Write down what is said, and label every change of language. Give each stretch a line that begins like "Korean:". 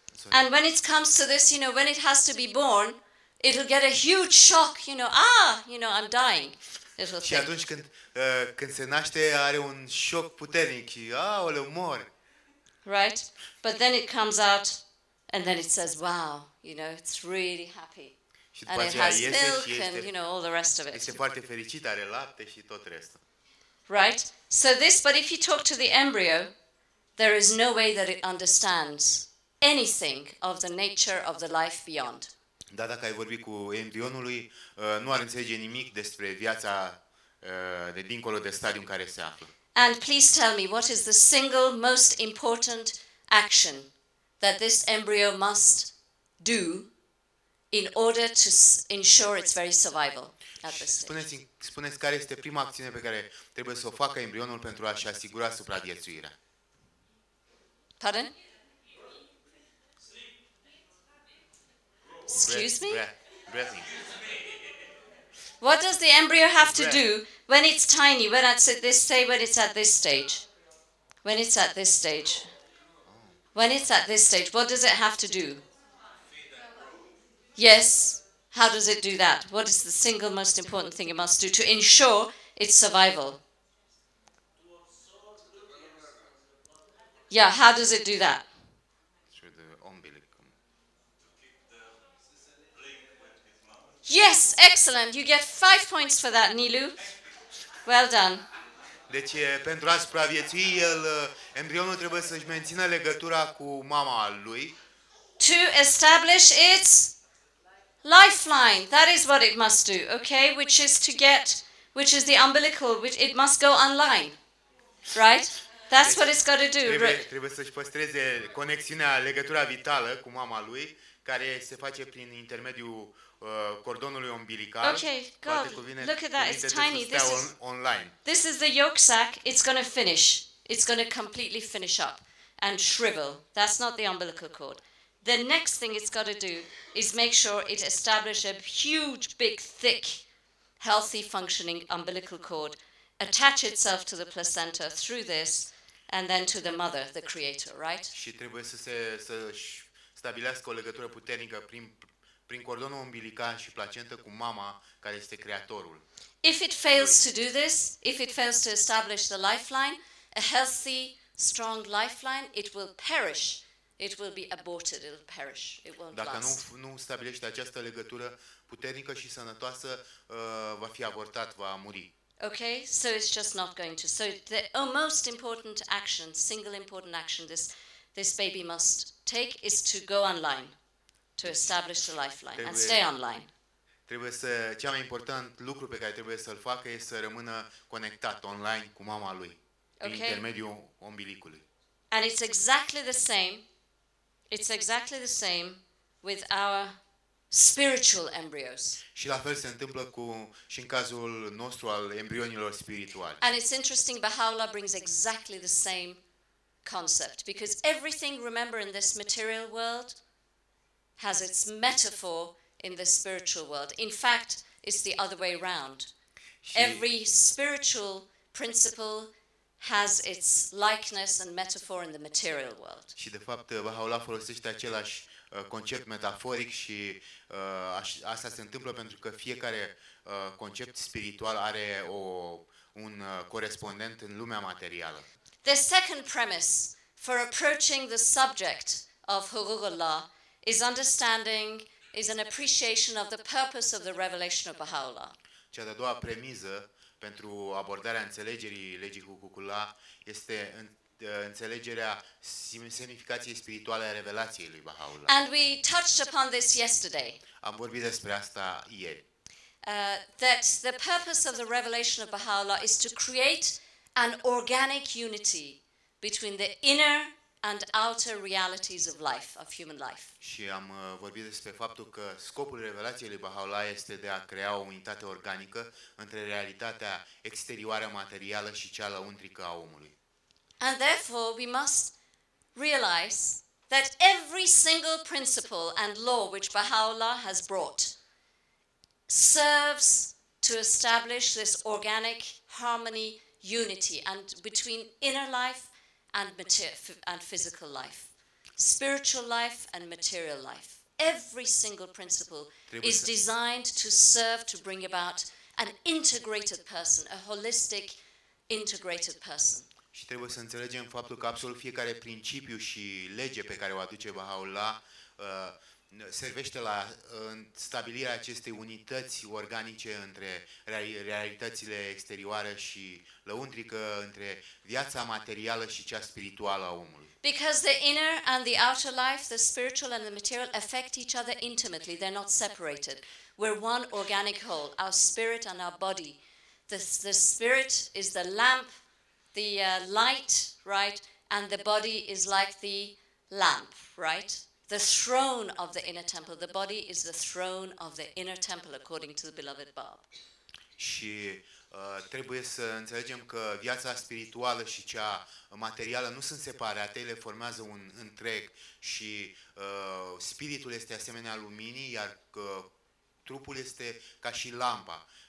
English: And when it comes to this, you know, when it has to be born, it'll get a huge shock, you know, ah, you know, I'm dying.
Romanian: Și atunci când se naște, are un șoc puternic. Aoleu, mor.
English: Right? But then it comes out and then it says, wow, you know, it's really happy. And it has milk and, you know, all the rest of it.
Romanian: Este foarte fericit, are lapte și tot restul.
English: Right? So this, but if you talk to the embryo, there is no way that it understands anything of the nature of the life beyond.
Romanian: Da, dacă ai vorbit cu embrionului, nu ar înțelege nimic despre viața de dincolo de stadiul în care se află.
English: And please tell me, what is the single most important action that this embryo must do in order to ensure its very survival at this stage?
Romanian: Spuneți care este prima acțiune pe care trebuie să o facă embrionul pentru a-și asigura supraviețuirea.
English: Pardon? Excuse me? Breathing. What does the embryo have to do when it's tiny, when it's at this stage? When it's at this stage? When it's at this stage, what does it have to do? Yes. How does it do that? What is the single most important thing it must do to ensure its survival? Yeah, how does it do that? Through the umbilical. Yes, excellent. You get 5 points for that, Nilu. Well done.
Romanian: Deci, pentru a supraviețui, el, embrionul trebuie să-și mențină legătura cu mama lui.
English: To establish its lifeline. That is what it must do, okay? Which is to get, which is the umbilical, which it must go online, right? That's deci what it's got to do.
Romanian: Trebuie să-și păstreze conexiunea, legătura vitală cu mama lui, care se face prin intermediul cordonului umbilical.
English: Okay, God, look at that, it's tiny. This is, online. This is the yolk sac, it's going to finish. It's going to completely finish up and shrivel. That's not the umbilical cord. The next thing it's got to do is make sure it establishes a huge, big, thick, healthy functioning umbilical cord, attach itself to the placenta through this, and then to the mother, the creator, right?
Romanian: Și trebuie să se stabilească o legătură puternică prin cordonul umbilical și placentă cu mama, care este creatorul.
English: If it fails to do this, if it fails to establish the lifeline, a healthy, strong lifeline, it will perish. It will be aborted, it will perish. It won't
Romanian: dacă
English: last.
Romanian: Dacă nu stabilește această legătură puternică și sănătoasă, va fi abortat, va muri.
English: Okay, so it's just not going to. So the most important action, single important action, this baby must take is to go online, to establish the lifeline and stay online.
Romanian: Trebuie să, cea mai important lucru pe care trebuie să-l facă este să rămână conectat online cu mama lui,
English: okay,
Romanian: în intermediul umbilicului.
English: And it's exactly the same. It's exactly the same with our spiritual embryos.
Romanian: Și la fel se întâmplă cu și în cazul nostru al embrionilor spirituale.
English: And it's interesting, Baha'u'llah brings exactly the same concept, because everything, remember, in this material world has its metaphor in the spiritual world. In fact, it's the other way around. Every spiritual principle has its likeness and metaphor in the material world.
Romanian: Și de fapt Baha'u'llah folosește același concept metaforic și asta se întâmplă pentru că fiecare concept spiritual are un corespondent în lumea materială.
English: The second premise for approaching the subject of Hurur Allah is understanding, is an appreciation of the purpose of the revelation of Baha'u'llah.
Romanian: Cea de-a doua premisă pentru abordarea înțelegerii legii Hukukullah este înțelegerea semnificației spirituale a revelației lui Baha'u'llah.
English: And we touched upon this yesterday.
Romanian: Am vorbit despre asta ieri.
English: That the purpose of the revelation of Baha'u'llah is to create an organic unity between the inner and outer realities of life, of human life.
Romanian: Și am vorbit despre faptul că scopul revelației lui Baha'u'llah este de a crea o unitate organică între realitatea exterioară materială și cea lăuntrică a omului.
English: And therefore we must realize that every single principle and law which Baha'u'llah has brought serves to establish this organic harmony, unity, and between inner life and physical life, spiritual life and material life. Every single principle is designed to serve to bring about an integrated person, a holistic integrated person.
Romanian: Și trebuie să înțelegem faptul că absolut fiecare principiu și lege pe care o aduce Baha'u'llah servește la stabilirea acestei unități organice între realitățile exterioare și lăuntrică, între viața materială și cea spirituală a omului.
English: Because the inner and the outer life, the spiritual and the material, affect each other intimately. They're not separated. We're one organic whole, our spirit and our body. The spirit is the lamp, the light, right? And the body is like the lamp, right? The throne of the inner temple, the body is the throne of the inner temple, according to the beloved Bab.
Romanian: Și trebuie să înțelegem că viața spirituală și cea materială nu sunt separate, ele formează un întreg și spiritul este asemenea luminii, iar trupul este ca și lampa.